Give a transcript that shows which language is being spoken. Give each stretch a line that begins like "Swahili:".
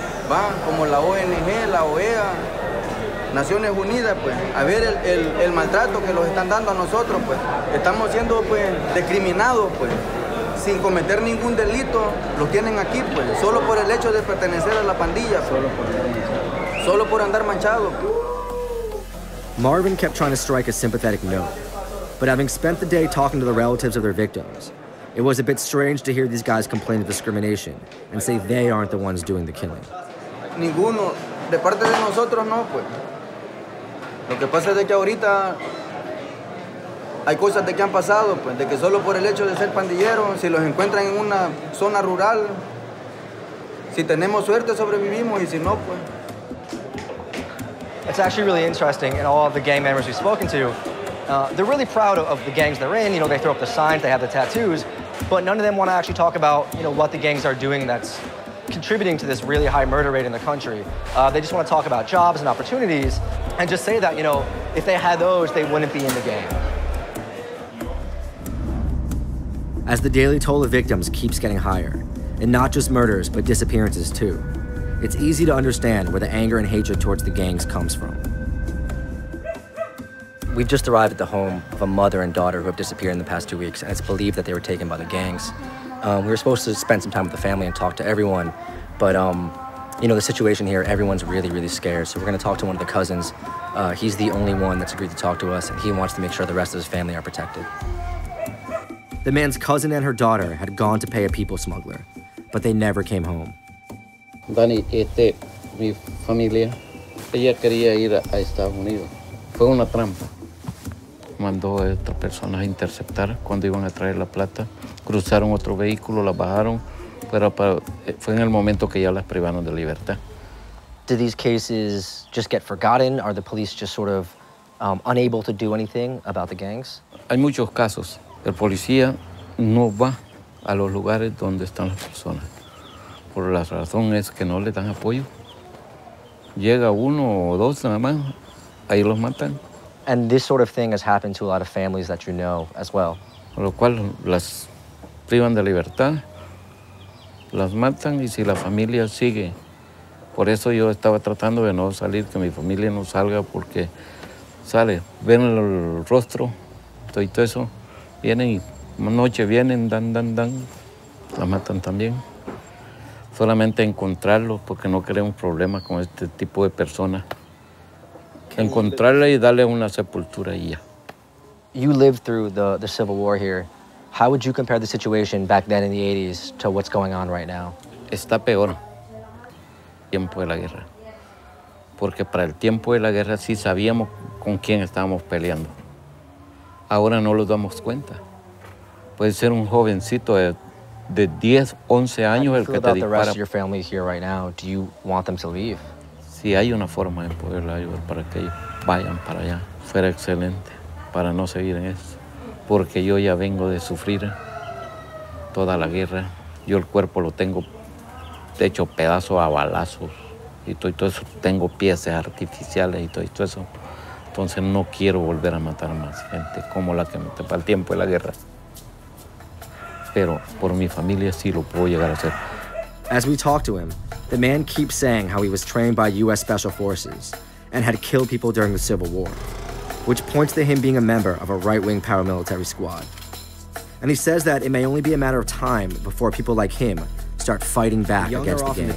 Spanish: Va, como la ONG, la OEA, Naciones Unidas, pues, a ver el maltrato que los están dando a nosotros, pues. Estamos siendo, pues, discriminados, pues, sin cometer ningún delito, los tienen aquí, pues, solo por el hecho de pertenecer a la pandilla, pues. Solo por andar manchado.
English: Marvin kept trying to strike a sympathetic note, but having spent the day talking to the relatives of their victims, it was a bit strange to hear these guys complain of discrimination and say they aren't the ones doing the killing.
Spanish: Ninguno, de parte de nosotros, no, pues. Lo que pasa es de que ahorita hay cosas de que han pasado, pues, de que solo por el hecho de ser pandillero, si los encuentran en una zona rural, si tenemos suerte sobrevivimos y si no, pues.
English: It's actually really interesting in all of the gang members we've spoken to. They're really proud of the gangs they're in. You know, they throw up the signs, they have the tattoos, but none of them want to actually talk about, you know, what the gangs are doing that's contributing to this really high murder rate in the country. They just want to talk about jobs and opportunities and just say that, you know, if they had those, they wouldn't be in the game. As the daily toll of victims keeps getting higher, and not just murders, but disappearances too, it's easy to understand where the anger and hatred towards the gangs comes from. We've just arrived at the home of a mother and daughter who have disappeared in the past 2 weeks, and it's believed that they were taken by the gangs. We were supposed to spend some time with the family and talk to everyone, but you know, the situation here, everyone's really, really scared. So we're gonna talk to one of the cousins. He's the only one that's agreed to talk to us, and he wants to make sure the rest of his family are protected. The man's cousin and her daughter had gone to pay a people smuggler, but they never came home.
Spanish: Dani, mi familia, ella quería ir a Estados Unidos. Fue una trampa. Mandó a esta persona a interceptar cuando iban a traer la plata. Cruzaron otro vehículo, la bajaron Pero fue en el momento que ya las privaron de libertad.
English: Did these cases just get forgotten? Are the police just sort of unable to do anything about the gangs?
Spanish: Hay muchos casos. El policía no va a los lugares donde están las personas. Por la razón es que no le dan apoyo. Llega uno o dos nada más, ahí los matan.
English: And this sort of thing has happened to a lot of families that you know as well.
Spanish: Con lo cual las privan de libertad, las matan y si la familia sigue. Por eso yo estaba tratando de no salir, que mi familia no salga porque sale, ven el rostro, todo eso, vienen y noche vienen, dan, dan, dan, las matan también. Solamente encontrarlos porque no queremos problemas con este tipo de personas. Encontrarla y darle una sepultura y ya.
English: You lived through the Civil War here. How would you compare the situation back then in the 80s to what's going on right now?
Spanish: Está peor. Tiempo de la guerra. Porque para el tiempo de la guerra sí sabíamos con quién estábamos peleando. Ahora no lo damos cuenta. Puede ser un jovencito de 10, 11 años el que te dispara.
English: How do you feel about the rest of your family here right now? Do you want them to leave?
Spanish: Sí, hay una forma de poderle ayudar para que ellos vayan para allá. Fuera excelente para no seguir en eso. Porque yo ya vengo de sufrir toda la guerra. Yo el cuerpo lo tengo hecho pedazo a balazos. Y todo eso, tengo piezas artificiales y todo eso. Entonces no quiero volver a matar más gente como la que me tapa el tiempo de la guerra. Pero por mi familia sí lo puedo llegar a hacer.
English: As we talk to him, the man keeps saying how he was trained by U.S. Special Forces and had killed people during the Civil War, which points to him being a member of a right-wing paramilitary squad. And he says that it may only be a matter of time before people like him start fighting back against the gangs.